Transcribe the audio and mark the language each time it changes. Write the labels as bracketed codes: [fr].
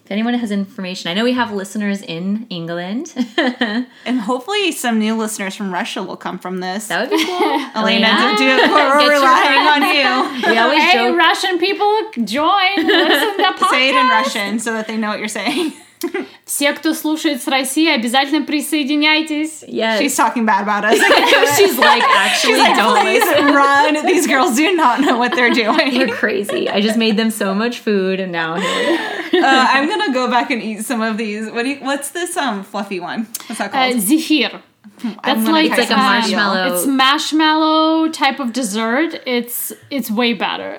[en] If anyone has information. I know we have listeners in England. And hopefully some new listeners from Russia will come from this. That would be cool. Elena, we're relying on you. Hey, Russian people, join. Listen to the podcast. Say it in Russian so that they know what you're saying. [ru] Все, кто слушает с России, обязательно присоединяйтесь. [en] Yes. She's talking bad about us. She's like, actually, she's like, don't listen. Run. These girls do not know what they're doing. You're crazy. I just made them so much food and now here. I'm going to go back and eat some of these. What's this fluffy one? What's that called? Zephyr. That's like a marshmallow. It's marshmallow type of dessert. It's way better.